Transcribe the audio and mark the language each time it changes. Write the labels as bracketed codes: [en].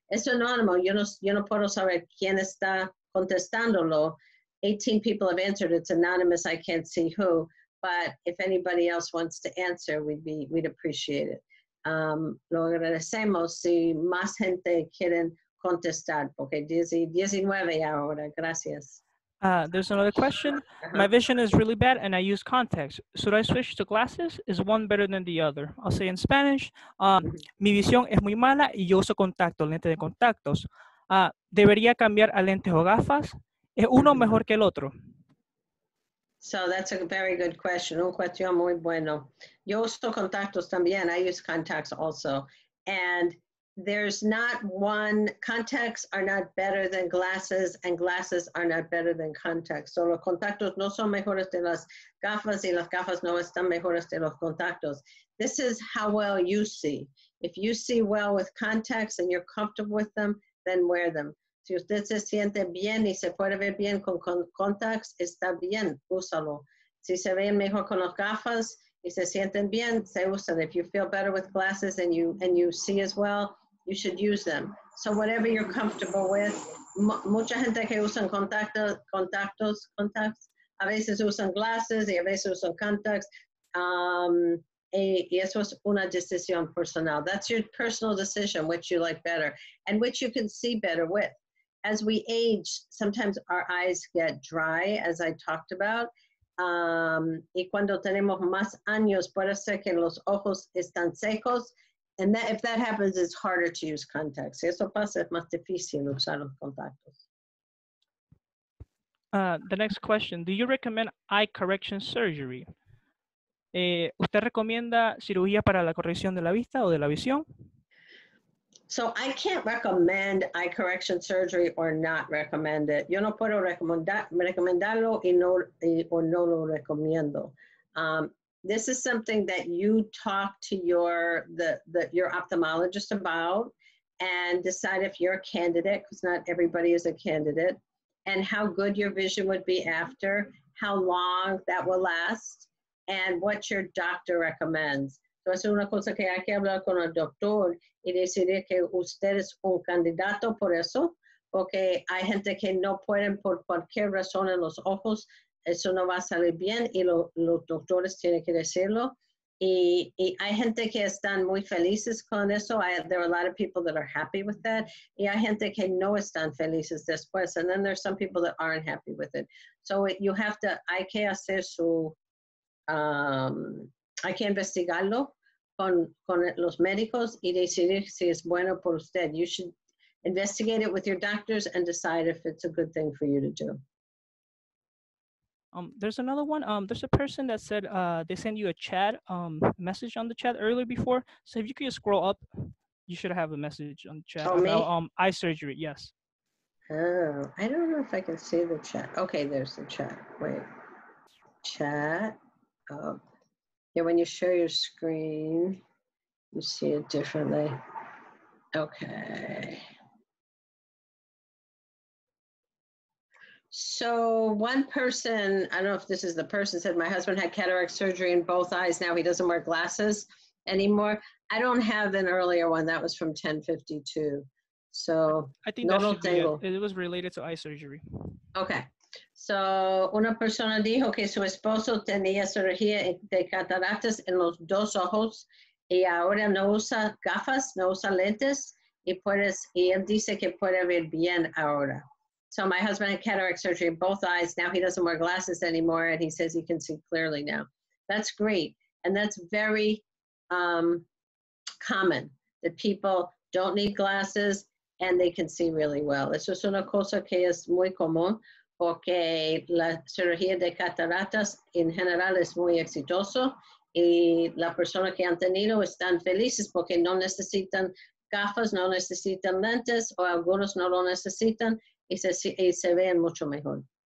[es] Es anónimo, yo no puedo saber quién está contestándolo. [en] 18 people have answered, it's anonymous, I can't see who. But if anybody else wants to answer, we'd appreciate it. [es] Lo agradecemos si más gente quieren contestar, porque 19 ahora, gracias. [en] There's another question. My vision is really bad and I use contacts. Should I switch to glasses? Is one better than the other? I'll say in Spanish, [es] mi visión es muy mala y yo uso contactos, lentes de contactos. ¿Debería cambiar a lentes o gafas? ¿Es uno mejor que el otro? [en] So that's a very good question. [es] Un cuestión muy bueno. Yo uso contactos también. [en] I use contacts also. And there's not one, contacts are not better than glasses, and glasses are not better than contacts. [es] So los contactos no son mejores de las gafas no están mejores de los contactos. [en] This is how well you see. If you see well with contacts and you're comfortable with them, then wear them. [es] Si usted se siente bien y se puede ver bien con contacts, está bien, úsalo. Si se ven mejor con las gafas, y se sienten bien, se usan. [en] If you feel better with glasses and you see as well, you should use them. So whatever you're comfortable with, [es] mucha gente que usan contacts, a veces usan glasses y a veces usan contacts. Y eso es una decisión personal. [en] That's your personal decision, which you like better and which you can see better with. As we age, sometimes our eyes get dry, as I talked about. [es] Y cuando tenemos más años, puede ser que los ojos están secos. [en] And that, if that happens, it's harder to use contacts. [es] Si eso pasa, es más difícil usar los contactos. [en] The next question, do you recommend eye correction surgery? [es] ¿Usted recomienda cirugía para la corrección de la vista o de la visión? [en] So I can't recommend eye correction surgery or not recommend it. [es] Yo no puedo recomendarlo y no lo recomiendo. [en] This is something that you talk to your ophthalmologist about and decide if you're a candidate, because not everybody is a candidate, and how good your vision would be after, how long that will last, and what your doctor recommends. [es] Entonces, una cosa que hay que hablar con el doctor y decirle que usted es un candidato por eso, porque hay gente que no pueden por cualquier razón en los ojos, eso no va a salir bien y los doctores tienen que decirlo. Y hay gente que están muy felices con eso. [en] There are a lot of people that are happy with that. [es] Y hay gente que no están felices después. [en] And then there's some people that aren't happy with it. So you have to, [es] hay que hacer su... hay que investigarlo con los médicos y decidir si es bueno por usted. [en] You should investigate it with your doctors and decide if it's a good thing for you to do. There's another one. There's a person that said they sent you a chat message on the chat earlier before. So if you could just scroll up, you should have a message on the chat. Oh, about me? Eye surgery, yes. Oh, I don't know if I can see the chat. Okay, there's the chat. Wait. Chat. Oh. Yeah, when you share your screen, you see it differently. Okay. So one person, I don't know if this is the person, said my husband had cataract surgery in both eyes. Now he doesn't wear glasses anymore. I don't have an earlier one. That was from 1052. So I think that should be it. It was related to eye surgery. Okay. [es] So una persona dijo que su esposo tenía cirugía de cataratas en los dos ojos y ahora no usa gafas, no usa lentes, y puedes, y él dice que puede ver bien ahora. [en] So my husband had cataract surgery in both eyes. Now he doesn't wear glasses anymore, and he says he can see clearly now. That's great. And that's very common, that people don't need glasses and they can see really well. [es] Eso es una cosa que es muy común, porque la cirugía de cataratas en general es muy exitoso y la persona que han tenido están felices porque no necesitan gafas, no necesitan lentes, o algunos no lo necesitan y se ven mucho mejor.